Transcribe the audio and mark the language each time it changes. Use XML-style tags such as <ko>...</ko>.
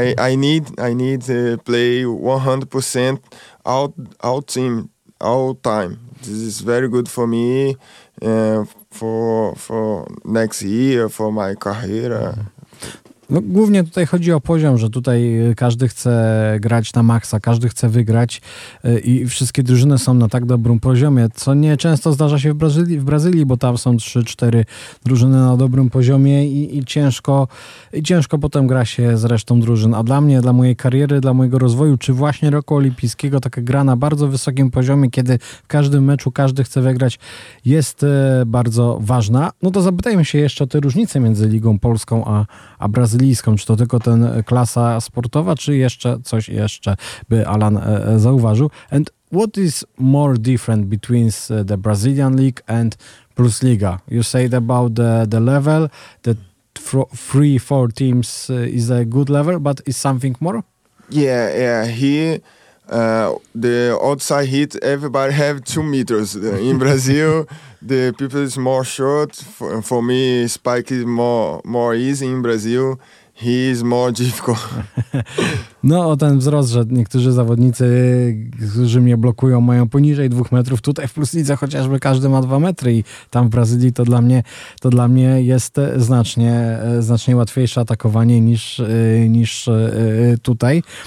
<en>I need to play 100% out team all time. This is very good for me for next year for my career.</en> <pl>No, głównie tutaj chodzi o poziom, że tutaj każdy chce grać na maksa, każdy chce wygrać i wszystkie drużyny są na tak dobrym poziomie, co nie często zdarza się w Brazylii, bo tam są 3-4 drużyny na dobrym poziomie i ciężko potem gra się z resztą drużyn. A dla mnie, dla mojej kariery, dla mojego rozwoju, czy właśnie roku olimpijskiego, taka gra na bardzo wysokim poziomie, kiedy w każdym meczu każdy chce wygrać, jest bardzo ważna. No to zapytajmy się jeszcze o te różnice między Ligą Polską a Brazylią. Czy to tylko ten klasa sportowa, czy jeszcze coś jeszcze by Alan zauważył?</pl> <en>And what is more different between the Brazilian League and Plus Liga? You said about the level, the three, four teams is a good level, but is something more? Yeah. The outside heat, everybody have 2 meters. In Brazil, the people is more short. For me, Spike is more easy in Brazil. He is more difficult.</en> <pl>No, o ten wzrost, że niektórzy zawodnicy, którzy mnie blokują, mają poniżej 2 metrów. Tutaj w Plus Lidze chociażby każdy ma 2 metry i tam w Brazylii to dla mnie jest znacznie łatwiejsze atakowanie niż tutaj.</pl>